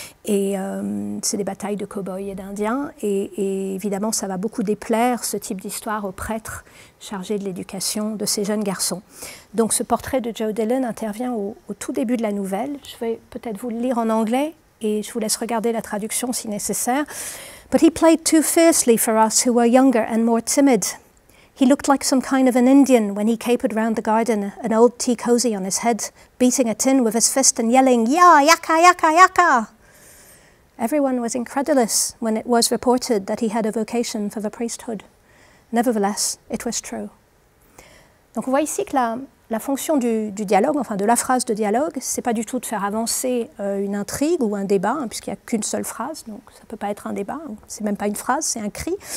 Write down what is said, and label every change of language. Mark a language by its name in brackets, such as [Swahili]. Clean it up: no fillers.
[French] Et c'est des batailles de cow-boys et d'indiens. Et évidemment, ça va beaucoup déplaire, ce type d'histoire, aux prêtres chargés de l'éducation de ces jeunes garçons. Donc ce portrait de Joe Dillon intervient au tout début de la nouvelle. Je vais peut-être vous le lire en anglais et je vous laisse regarder la traduction si nécessaire. [English] « But he played too fiercely for us who were younger and more timid. He looked like some kind of an Indian when he capered round the garden, an old tea cosy on his head, beating a tin with his fist and yelling, "Ya, yaka, yaka, yaka!" Everyone was incredulous when it was reported that he had a vocation for the priesthood. Nevertheless, it was true. [French] » Donc on voit ici que la fonction du dialogue, enfin de la phrase de dialogue, c'est pas du tout de faire avancer une intrigue ou un débat, hein, puisqu'il n'y a qu'une seule phrase, donc ça ne peut pas être un débat, hein, c'est même pas une phrase, c'est un cri.